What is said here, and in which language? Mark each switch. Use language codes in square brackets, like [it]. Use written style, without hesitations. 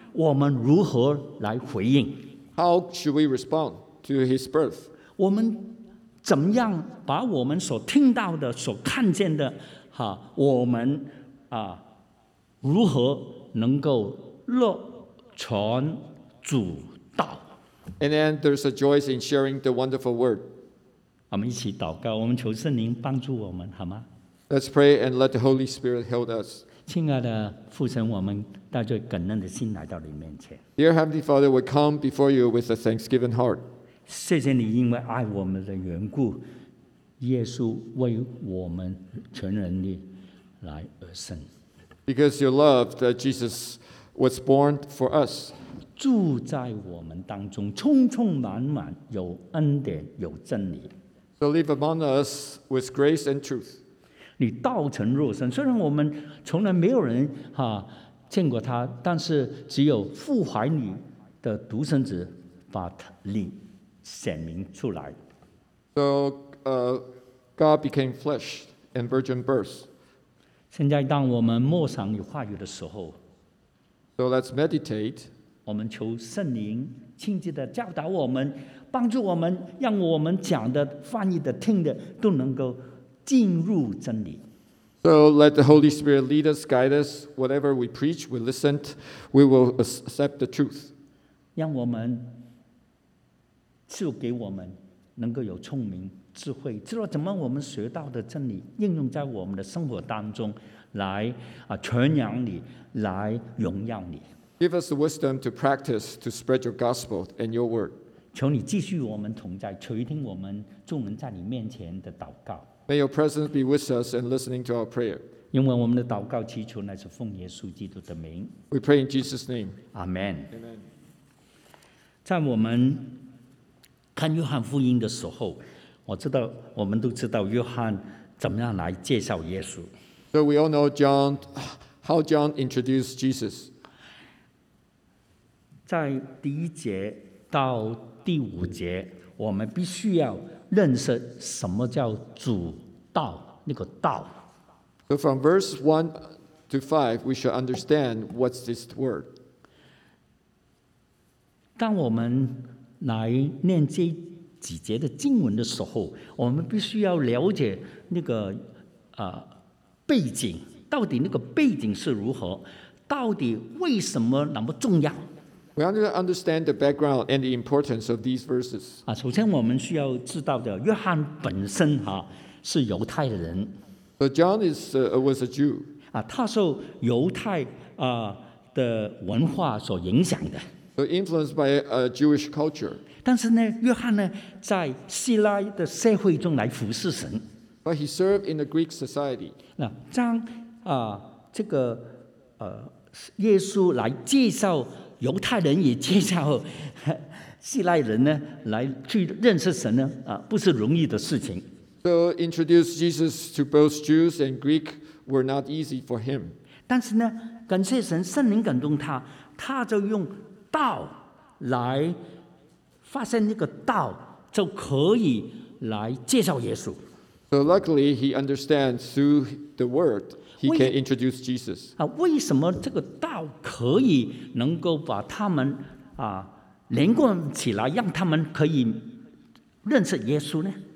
[zh] 我们如何来回应？ [en] How should we respond to his birth? [zh] 我们怎么样把我们所听到的、所看见的，我们如何能够乐传主道？ [en] And then there's a joy in sharing the wonderful word. [zh] 我们一起祷告，我们求圣灵帮助我们，好吗？ [en] Let's pray and let the Holy Spirit help us. [zh] 亲爱的父神，我们带着感恩的心来到你面前。 [en] Dear Heavenly Father, we come before you with a thanksgiving heart. [zh] 谢谢你因为爱我们的缘故，耶稣为我们全人类来而生。 [en] Because your love, that Jesus was born for us. [zh] 住在我们当中，充充满满，有恩典，有真理。 [en] So live among us with grace and truth. [zh] 你道成肉身，虽然我们从来没有人见过他，但是只有父怀里的独生子把你显明出来。 [en] So, God became flesh and virgin birth. [zh] 现在当我们默想与话语的时候， [en] So let's meditate. [zh] 我们求圣灵亲自的教导我们，帮助我们，让我们讲的、翻译的、听的都能够进入真理。 [en] So let the Holy Spirit lead us, guide us. Whatever we preach, we listen, we will accept the truth. [zh] 让我们赐给我们能够有聪明智慧，知道怎么我们学到的真理应用在我们的生活当中，来传扬你，来荣耀你。 [en] Give us the wisdom to practice to spread your gospel and your word. [zh] 求你继续与我们同在，垂听我们众人在你面前的祷告。 [en] May your presence be with us and listening to our prayer. [zh] 因为我们的祷告祈求乃是奉耶稣基督的名。 [en] We pray in Jesus' name. Amen. Amen. [zh] 在我们看约翰福音的时候，我知道我们都知道约翰怎么样来介绍耶稣。 [en] So we all know John, how John introduced Jesus. [zh] 在第一节到第五节，我们必须要认识什么叫主道，那个道。 [en] So from verse 1 to 5, we should understand what's this word. [zh] 当我们来念这几节的经文的时候，我们必须要了解那个背景，到底那个背景是如何，到底为什么那么重要。 [en] We have to understand the background and the importance of these verses. [zh] 首先我们需要知道的，约翰本身是犹太人。 [en] So John was a Jew. [zh] 他受犹太的文化所影响的。 [en] So influenced by a Jewish culture. [zh] 但是呢，约翰呢，在希腊的社会中来服侍神。 [en] But he served in the Greek society. [zh] 将这个耶稣来介绍犹太人，也介绍希腊人呢，来去认识神呢，不是容易的事情。 [en] So introduce Jesus to both Jews and Greek were not easy for him. [zh] 但是呢，感谢神，圣灵感动他，他就用道来发现那个道，就可以来介绍耶稣。 [en] So luckily he understands through the word. He can introduce Jesus. [zh] 为什么这个道可以能够把他们连贯起来，让他们可以认识耶稣呢？